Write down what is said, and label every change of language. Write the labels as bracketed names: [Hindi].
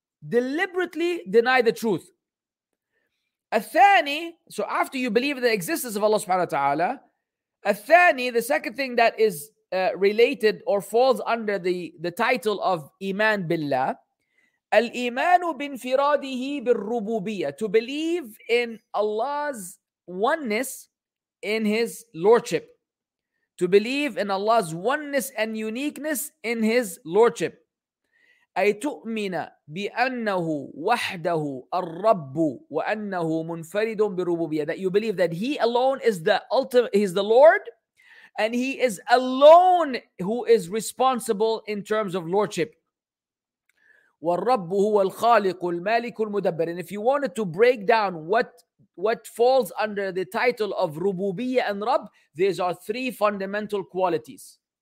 [English] Deliberately deny the truth. Athani, so after you believe in the existence of Allah subhanahu wa ta'ala, athani, the second thing that is related or falls under the title of Iman Billah, Al-Imanu binfiradihi bil-rububiyya, to believe in Allah's oneness in His Lordship. To believe in Allah's oneness and uniqueness in His Lordship. [Arabic] أي تؤمن بأنه وحده الرب وأنه منفرد بالربوبية. [English] That you believe that He alone is the ultimate, He's the Lord. And He is alone who is responsible in terms of lordship. [Arabic] وَالرَّبُّ هُوَ الْخَالِقُ الْمَالِكُ الْمُدَبِّرِ. [English] And if you wanted to break down what falls under the title of rububiyya and Rabb, these are three fundamental qualities.